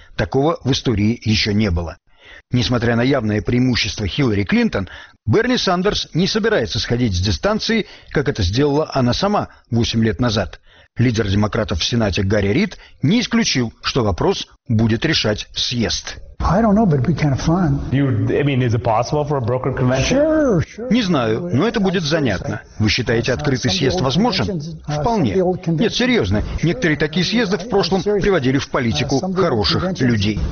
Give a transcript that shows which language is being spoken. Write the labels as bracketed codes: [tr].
[ru] Такого в истории еще не было. Несмотря на явное преимущество Хиллари Клинтон, Берни Сандерс не собирается сходить с дистанции, как это сделала она сама 8 лет назад. Лидер демократов в Сенате Гарри Рид не исключил, что вопрос будет решать съезд. [en] I don't know, but it'd be kind of fun. Is it possible for a broker convention? Sure. [ru] Не знаю, но это будет занятно. Вы считаете, открытый съезд возможен? Вполне. Нет, серьезно. Некоторые такие съезды в прошлом приводили в политику хороших людей.